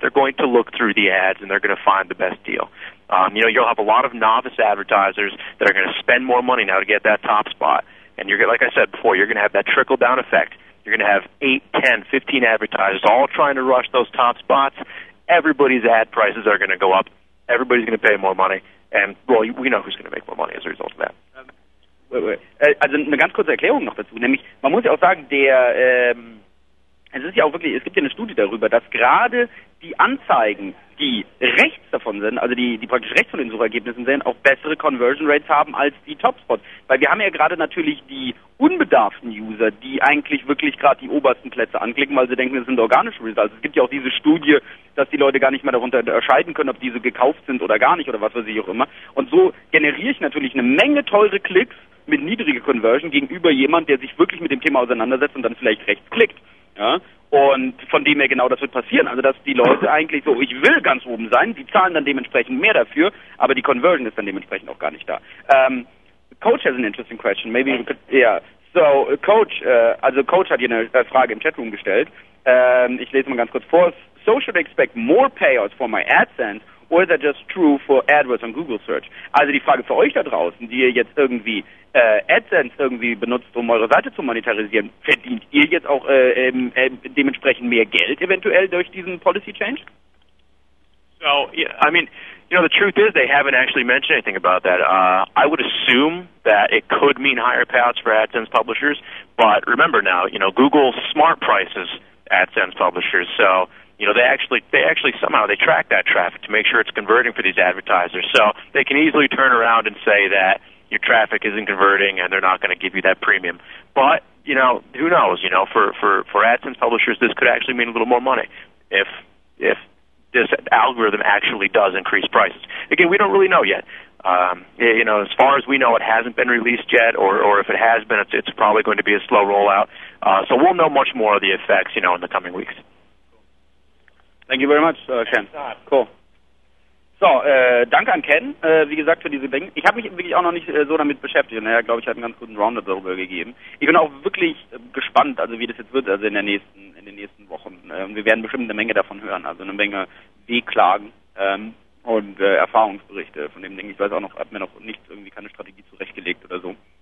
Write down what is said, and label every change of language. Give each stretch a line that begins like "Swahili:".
English: They're going to look through the ads, and they're going to find the best deal. You know, you'll have a lot of novice advertisers that are going to spend more money now to get that top spot. And you're, like I said before, you're going to have that trickle-down effect. You're going to have 8, 10, 15 advertisers all trying to rush those top spots. Everybody's ad prices are going to go up. Everybody's going to pay more money. And, well, we know who's going to make more money as a result of that.
German: Also eine ganz kurze Erklärung noch dazu. Nämlich, man muss ja auch sagen, es gibt ja eine Studie darüber, dass gerade die Anzeigen, die rechts davon sind, also die praktisch rechts von den Suchergebnissen sind, auch bessere Conversion Rates haben als die Topspots. Weil wir haben ja gerade natürlich die unbedarften User, die eigentlich wirklich gerade die obersten Plätze anklicken, weil sie denken, das sind organische Results. Es gibt ja auch diese Studie, dass die Leute gar nicht mehr darunter unterscheiden können, ob diese gekauft sind oder gar nicht oder was weiß ich auch immer. Und so generiere ich natürlich eine Menge teure Klicks mit niedriger Conversion gegenüber jemand, der sich wirklich mit dem Thema auseinandersetzt und dann vielleicht rechts klickt. Ja, und von dem her genau das wird passieren. Also, dass die Leute eigentlich so, ich will ganz oben sein, die zahlen dann dementsprechend mehr dafür, aber die Conversion ist dann dementsprechend auch gar nicht da.
English: Coach has an interesting question. Maybe we could, yeah.
German: So, Coach hat hier eine Frage im Chatroom gestellt. Ich lese mal ganz kurz vor.
English: So should I expect more payouts for my AdSense, or is that just true for AdWords on Google Search?
German: Also, die Frage für euch da draußen, die ihr jetzt irgendwie AdSense irgendwie benutzt, um eure Seite zu monetarisieren, verdient ihr jetzt auch dementsprechend mehr Geld eventuell durch diesen Policy Change?
English: So, yeah, I mean, you know, the truth is they haven't actually mentioned anything about that. I would assume that it could mean higher payouts for AdSense publishers, but remember now, you know, Google smart prices AdSense publishers, so, you know, they track that traffic to make sure it's converting for these advertisers, so they can easily turn around and say that your traffic isn't converting and they're not going to give you that premium. But, you know, who knows? You know, for AdSense publishers, this could actually mean a little more money if this algorithm actually does increase prices. Again, we don't really know yet. You know, as far as we know, it hasn't been released yet, or if it has been, it's probably going to be a slow rollout. So we'll know much more of the effects, you know, in the coming weeks. Thank you very much, Ken. Cool.
German: So, danke an Ken, wie gesagt, für diese Dinge. Ich habe mich wirklich auch noch nicht so damit beschäftigt. Und er, glaube ich, hat einen ganz guten Roundup darüber gegeben. Ich bin auch wirklich gespannt, also wie das jetzt wird, also in den nächsten Wochen. Wir werden bestimmt eine Menge davon hören, also eine Menge Wehklagen und Erfahrungsberichte von dem Ding. Ich weiß auch noch, hat mir noch nicht irgendwie keine Strategie zurechtgelegt oder so.